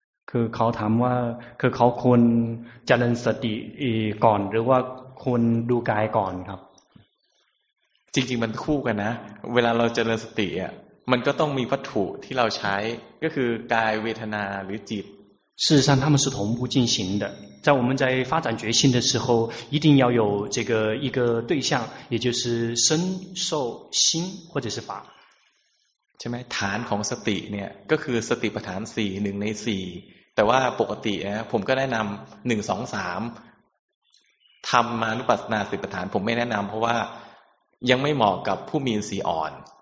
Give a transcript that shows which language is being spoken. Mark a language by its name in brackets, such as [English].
[Thai] คือเขาถามว่าคือเขาควรเจริญสติก่อนหรือว่าควรดูกายก่อนครับ จริงๆมันคู่กันนะเวลาเราเจริญสติอ่ะมันก็ต้องมีวัตถุที่เราใช้ก็คือกายเวทนาหรือจิต [Chinese] 事实上他们是同步进行的在我们在发展觉性的时候一定要有这个一个对象也就是身受心或者是法 [Thai] ใช่ไหมฐานของสติเนี่ยก็คือสติปัฏฐาน4 1ใน4แต่ว่าปกตินะผมก็แนะนำ1 2 3ธรรมานุปัสสนาสติปัฏฐานผมไม่แนะนำเพราะว่ายังไม่เหมาะกับผู้มีอินทรีย์อ่อน